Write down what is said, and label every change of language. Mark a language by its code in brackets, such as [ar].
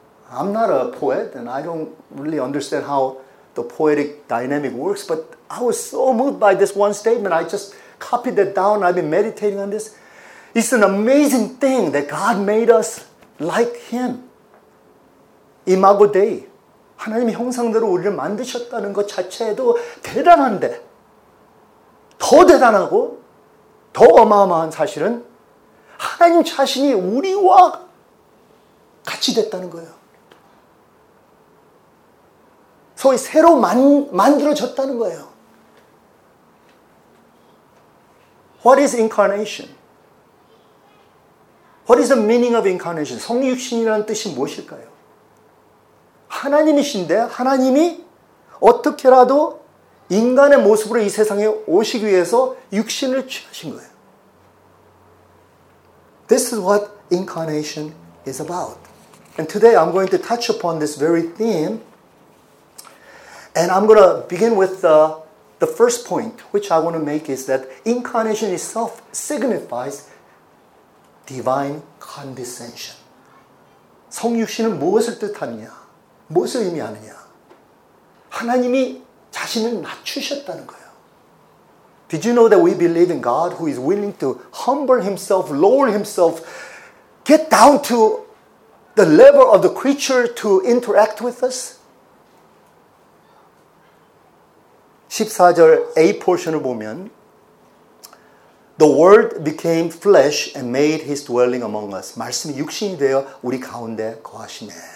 [en] I'm not a poet, and I don't really understand how the poetic dynamic works, but I was so moved by this one statement. I just copied that down. I've been meditating on this. It's an amazing thing that God made us like him. [ko] 이마고 데이. 하나님이 형상대로 우리를 만드셨다는 것 자체에도 대단한데 더 대단하고 더 어마어마한 사실은 하나님 자신이 우리와 같이 됐다는 거예요. 소위 새로 만들어졌다는 거예요. [en] What is incarnation? What is the meaning of incarnation? [ko] 성육신이라는 뜻이 무엇일까요? 하나님이신데 하나님이 어떻게라도 인간의 모습으로 이 세상에 오시기 위해서 육신을 취하신 거예요. [en] This is what incarnation is about. And today I'm going to touch upon this very theme. And I'm going to begin with the first point, which I want to make is that incarnation itself signifies divine condescension. [ko] 성육신은 무엇을 뜻하느냐? 무엇을 의미하느냐? 하나님이 자신을 낮추셨다는 거예요. [en] Did you know that we believe in God who is willing to humble himself, lower himself, get down to the level of the creature to interact with us? [ko] 14절 A 포션을 보면 [en] The Word became flesh and made his dwelling among us. [ko] 말씀이 육신이 되어 우리 가운데 거하시네.